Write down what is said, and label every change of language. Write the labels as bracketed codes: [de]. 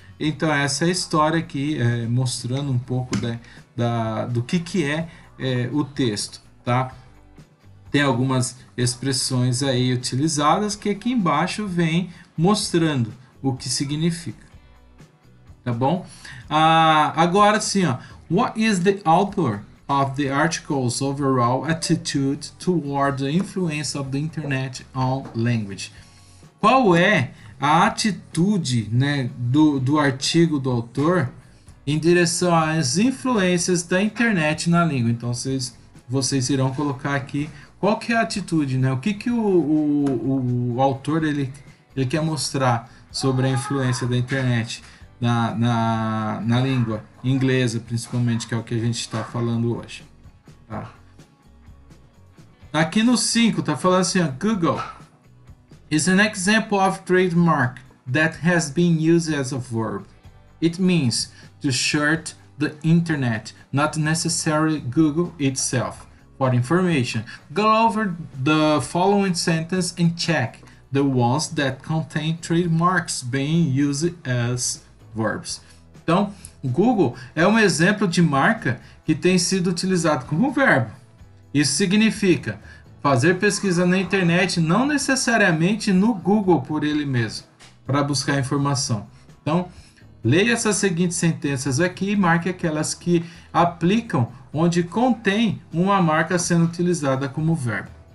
[pt] Então, essa é a história aqui, mostrando um pouco do que é o texto, tá? Tem algumas expressões aí utilizadas que aqui embaixo vem mostrando o que significa, tá bom? Agora sim, ó. [en] What is the author of the article's overall attitude toward the influence of the internet on language? [pt] Qual é a atitude, né, do artigo do autor em direção às influências da internet na língua? Então, vocês irão colocar aqui qual que é a atitude, né? O que que o autor, ele quer mostrar sobre a influência da internet na língua inglesa, principalmente, que é o que a gente está falando hoje. Tá. Aqui no 5, está falando assim, ó, [en] Google is an example of trademark that has been used as a verb. It means to search the internet, not necessarily Google itself, for information. Go over the following sentence and check the ones that contain trademarks being used as verbs. [pt] Então, o Google é um exemplo de marca que tem sido utilizado como verbo. Isso significa fazer pesquisa na internet, não necessariamente no Google por ele mesmo, para buscar informação. Então, Leia essas seguintes sentenças aqui e marque aquelas que aplicam onde contém uma marca sendo utilizada como verbo.